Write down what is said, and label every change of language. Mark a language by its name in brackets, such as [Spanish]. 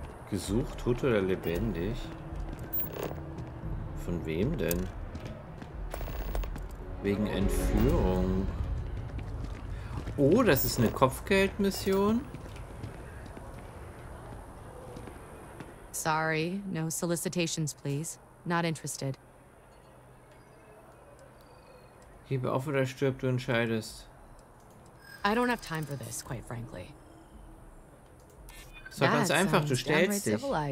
[German] Gesucht, tot oder lebendig? Von wem denn? Wegen Entführung. Oh, das ist eine Kopfgeldmission. [English] Sorry, no solicitations, please. Not interested. [German] Gib auf oder stirb, du entscheidest. [English] I don't have time for this, quite frankly. [German] Das war ganz einfach, du stellst dich.